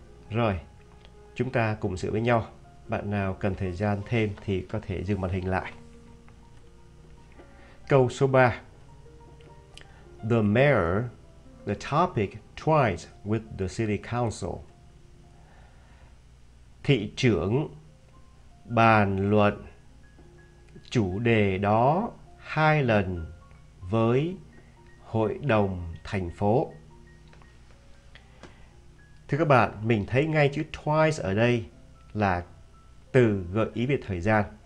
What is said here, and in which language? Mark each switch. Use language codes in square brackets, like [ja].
[vi] Rồi, chúng ta cùng sửa với nhau. Bạn nào cần thời gian thêm thì có thể dừng màn hình lại. Câu số 3. [en] The mayor, the topic twice with the city council. [vi] Thị trưởng bàn luận chủ đề đó hai lần với hội đồng thành phố. Thưa các bạn, mình thấy ngay chữ twice ở đây là từ gợi ý về thời gian.